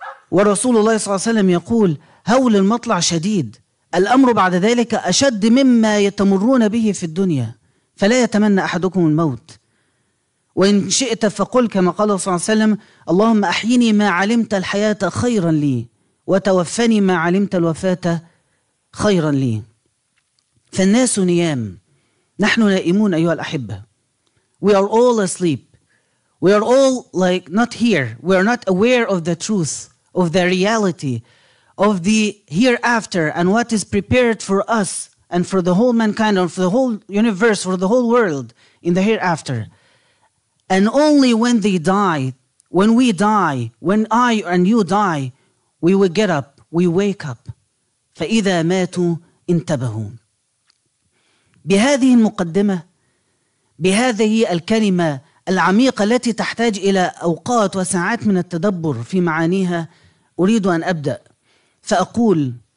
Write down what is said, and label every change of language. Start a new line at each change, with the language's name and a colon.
Arabic: ورسول الله صلى الله عليه وسلم يقول: هول المطلع شديد، الأمر بعد ذلك أشد مما يتمرون به في الدنيا، فلا يتمنى أحدكم الموت، وإن شئت فقل كما قال صلى الله عليه وسلم: اللهم أحيني ما علمت الحياة خيرا لي، وتوفني ما علمت الوفاة خيرا لي. فالناس نيام، نحن نائمون أيها الأحبة.
English: We are all asleep. We are all like not here. We are not aware of the truth, of the reality, of the hereafter and what is prepared for us and for the whole mankind and for the whole universe, for the whole world in the hereafter. And only when they die, when we die, when I and you die, we will get up, we wake up.
Arabic: فَإِذَا مَاتُوا انْتَبَهُوا بهذه المقدمة بهذه الكلمة العميقة التي تحتاج إلى أوقات وساعات من التدبر في معانيها أريد أن أبدأ فأقول